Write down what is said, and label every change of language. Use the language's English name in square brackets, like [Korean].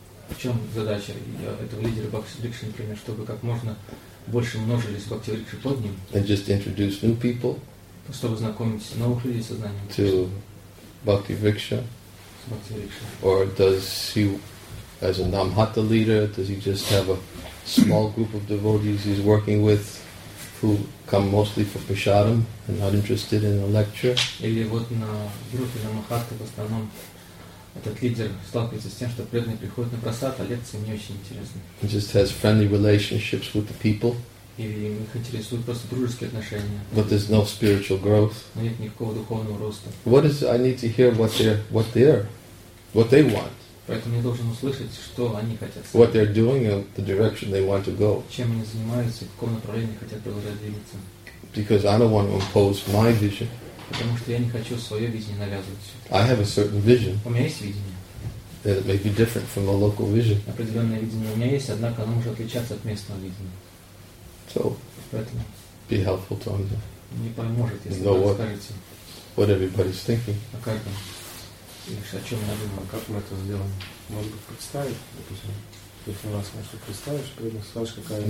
[Russian] В чем задача этого лидера Бхакти-рикши, например, чтобы как можно больше множились Бхакти-рикши под ним? [English] And just introduce new people. [Russian] Чтобы знакомить новых людей с сознанием. [English] To Bhakti-rikshya. [Russian] С Бхакти-рикши. [English] Or does he, as a Namahata leader, does he just have a small group of devotees he's working with, who come mostly for prasadam and not interested in a lecture? [Russian] Или вот на группе Намахата в основном. Этот лидер сталкивается с тем, что преданные приходят на просад, а лекции не очень интересны. [English] He just has friendly relationships with the people. [Russian] И их интересуют просто дружеские отношения. [English] But there's no spiritual growth. [Russian] Но нет никакого духовного роста. [English] What is I need to hear what they want. [Russian] Поэтому я должен услышать, что они хотят. [English] What they're doing and the direction they want to go. [Russian] Чем они занимаются и в каком направлении хотят продолжать двигаться. [English] Because I don't want to impose my vision. [Russian] Потому что я не хочу свое видение навязывать. [English] I have a certain vision. [Russian] У меня есть видение. [English] That it may be different from a local vision. [Russian] Определенное видение у меня есть, однако оно может отличаться от местного видения. [English] So, [Russian] поэтому. [English] Be helpful to understand. [Russian] Не поможет, если вы скажете. [English] What everybody's thinking. [Russian] О каждом. о чем мы думаем? А как мы это сделаем? Можно представить, допустим, если у нас мысли представишь, то представишь, какая...